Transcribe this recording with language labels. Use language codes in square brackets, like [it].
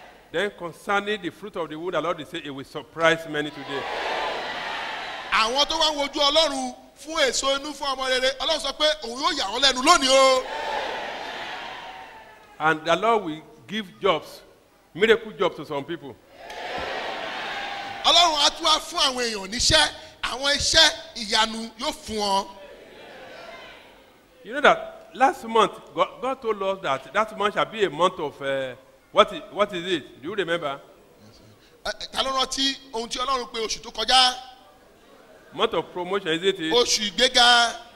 [en] Then concerning the fruit of the womb, the Lord is saying it will surprise many today. [yo] Àwọn tó wá wojú Ọlọ́run fún èso inú fún ọmọ rere Ọlọ́run sọ pé òun ó yà wọ́n lẹ́nu lónìí o. [en] And the Lord will give jobs, miracle jobs to some people. [yo] Ọlọ́run á tún wá fún àwọn èèyàn níṣẹ́. Àwọn iṣẹ́ ìyanu yóò fún ọ. [en] You know that last month God told us that month shall be a month of what is it? Do you remember? [yo] Ta ló rántí ohun tí Ọlọ́run pe oṣù tó kọjá? [en] Month of promotion, is it? [yo] Oṣù ìgbéga.